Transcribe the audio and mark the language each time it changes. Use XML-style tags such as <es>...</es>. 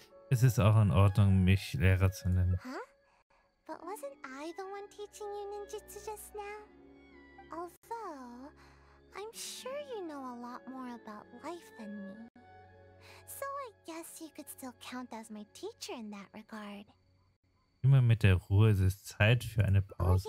<de>Es ist auch in Ordnung, mich Lehrer zu nennen.</de> <en>Huh? But wasn't I the one teaching you ninjutsu just now? Although, I'm sure you know a lot more about life than me. So I guess you could still count as my teacher in that regard.</en> <de>Immer mit der Ruhe, es ist Zeit für eine Pause.</de>